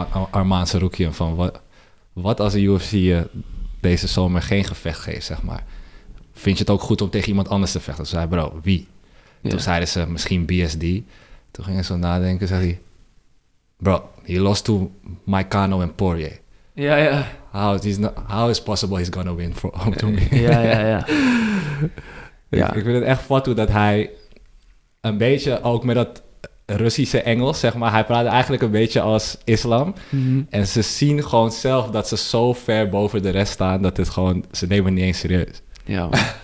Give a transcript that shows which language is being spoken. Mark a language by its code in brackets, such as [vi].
[nl] Armaan Sarukian, van wat als de UFC deze zomer geen gevecht geeft, zeg maar. Vind je het ook goed om tegen iemand anders te vechten? Toen zei bro, wie? Ja. Toen zeiden ze misschien BSD. Toen gingen ze nadenken, zei hij... [en] Bro, he lost to Maikano en Poirier. [nl] Ja, ja. [en] How is possible he's gonna win for to me? [nl] Ja, ja, ja. Ja. Ik vind het echt fattoe dat hij een beetje ook met dat Russische Engels, zeg maar. Hij praat eigenlijk een beetje als Islam. Mm-hmm. En ze zien gewoon zelf dat ze zo ver boven de rest staan, dat het gewoon, ze nemen het niet eens serieus. Ja, man.